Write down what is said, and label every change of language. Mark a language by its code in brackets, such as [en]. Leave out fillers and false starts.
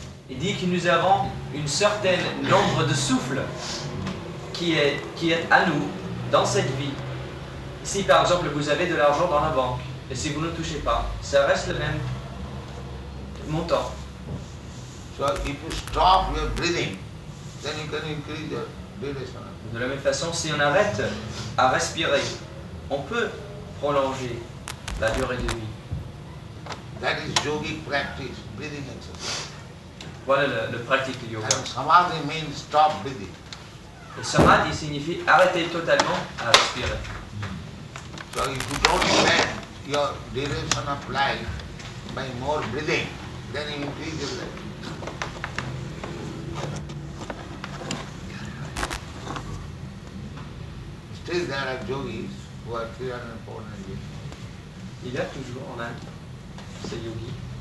[fr] Il dit que nous avons une certaine nombre de souffles qui est à nous dans cette vie. Si par exemple vous avez de l'argent dans la banque et si vous ne touchez pas, ça reste le même montant. [en] So if you stop your breathing, then you can increase your duration. [fr] De la même façon, si on arrête à respirer, on peut prolonger la durée de vie. [en] That is yogic practice, breathing exercise. [fr] Voilà le pratique du yoga. [en] And samadhi means stop breathing. [fr] Et samadhi signifie arrêter totalement à respirer. [en] So if you don't spend your duration of life by more breathing, then you increase your life. Still there are yogis who are 300, 400 years old. [fr] Il y a toujours en Inde ces yogis.